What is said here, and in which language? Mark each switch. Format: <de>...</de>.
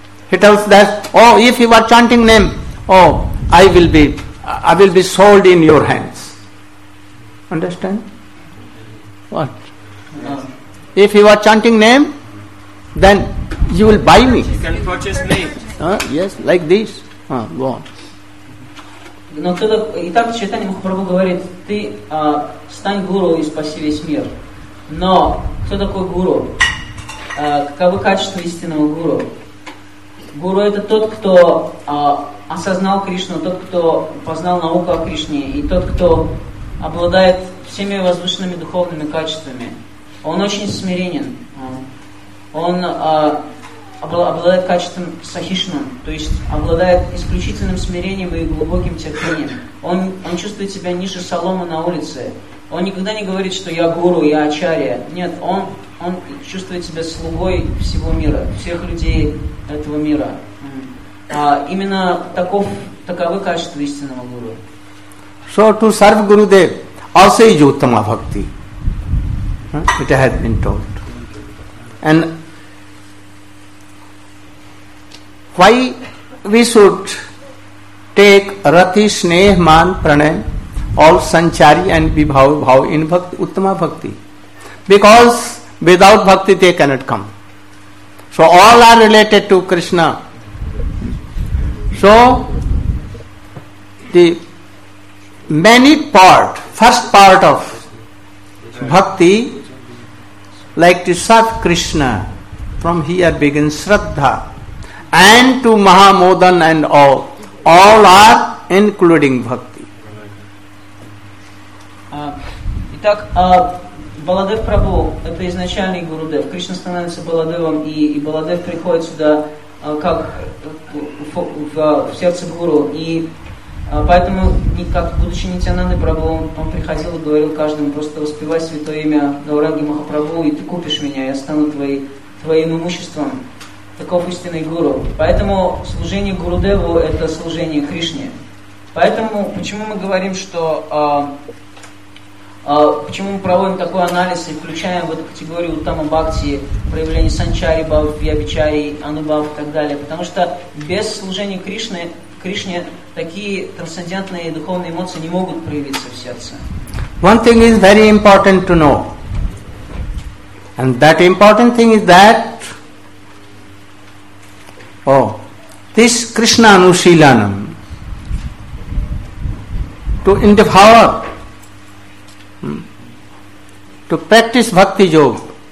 <en>He tells that, if you are chanting name, I will be sold in your hands. Understand? What? Yes. If you are chanting name, then you will buy me. You can purchase me. Yes, like this. Go on.</en> <ru>Но тогда и так Чайтанья Махапрабху говорит: ты стань гуру и спаси весь мир. Но кто такой гуру? Каковы качества истинного гуру? Гуру это тот, кто осознал Кришну, тот, кто познал науку о Кришне, и тот, кто обладает всеми возвышенными духовными качествами. Он очень смиренен. Он обладает качеством сахишна, то есть обладает исключительным смирением и глубоким терпением. Он чувствует себя ниже соломы на улице. Он никогда не говорит, что я гуру, я ачария. Нет, он чувствует себя слугой всего мира, всех людей этого мира. Именно таковы качества истинного гуру.</ru> <en>So to serve Gurudev also is uttama bhakti. It has been taught. And why we should take rati, sneha, man, pranay, all sanchari and vibhav, bhav in bhakti, uttama bhakti? Because without bhakti they cannot come. So all are related to Krishna. So, the many part, first part of bhakti, like to serve Krishna, from here begins Shraddha, and to Mahamodan and all are including bhakti.</en> <ru>Итак, Баладев Прабху, это изначальный Гурудев, Кришна становится Баладевом, и Баладев приходит сюда, как в сердце гуру. И Поэтому, как будучи Нитянандой Прабху, он приходил и говорил каждому, просто воспевай святое имя Гауранги Махапрабху, и ты купишь меня, я стану твоим имуществом. Таков истинный гуру. Поэтому служение Гурудеву – это служение Кришне. Поэтому, почему мы говорим, что... почему мы проводим такой анализ и включаем в эту категорию Уттама Бхакти, проявление Санчари Бхав, Вьябичари, Анубав и так далее? Потому что без служения Кришне... Кришне такие трансцендентные духовные эмоции не могут проявиться в сердце.</ru> <en>One thing is very important to know. And that important thing is that this Krishna Anushilanam to endeavor to practice Bhakti Yoga.</en>